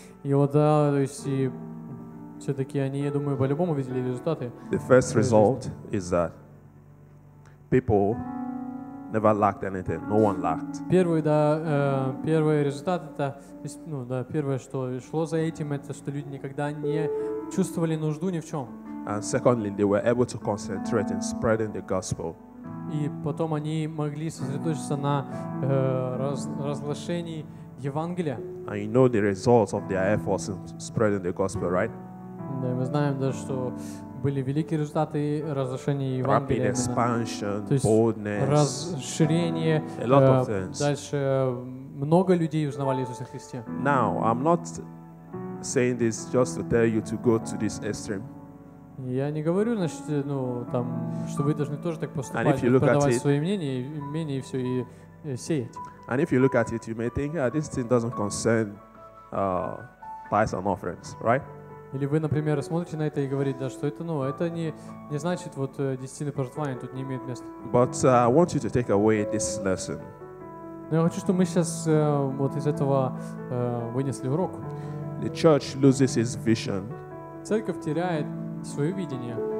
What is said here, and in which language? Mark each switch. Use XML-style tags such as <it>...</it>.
<ru>И вот, да, то есть, и все-таки они, я думаю, по-любому видели результаты.</ru> <en>The first result is that people never lacked anything. No one lacked.</en> <ru>Первый, да, первый результат это, ну, да, первое, что шло за этим, это что люди никогда не чувствовали нужду ни в чем.</ru> <en>And secondly, they were able to concentrate in spreading the gospel.</en> <ru>И потом они могли сосредоточиться на разглашении Евангелия.</ru> <en>And you know the results of their efforts in spreading the gospel, right?</en> <ru>Да, мы знаем, да, что были великие результаты разглашения Евангелия.</ru> <en>Rapid expansion,</en> <ru>то есть</ru> <en>boldness,</en> <ru>расширение.</ru> <en>A lot of things.</en> <ru>Дальше много людей узнавали Иисуса Христа.</ru> <en>Now, I'm not saying this just to tell you to go to this extreme.</en> <ru>Я не говорю, значит, ну, там, что вы должны тоже так поступать, продавать свои мнения и все, и сеять.</ru> <en>And if you look at it, you may think, yeah, this thing doesn't concern tithes and offerings, right?</en> <ru>Или вы, например, смотрите на это и говорите, да, что это, ну, это не значит, вот, десятины пожертвования тут не имеют места.</ru> <en>But I want you to take away this lesson.</en> <ru>Но я хочу, чтобы мы сейчас вот из этого вынесли урок.</ru> <en>The church loses its vision.</en> <ru>Церковь теряет свое видение.</ru>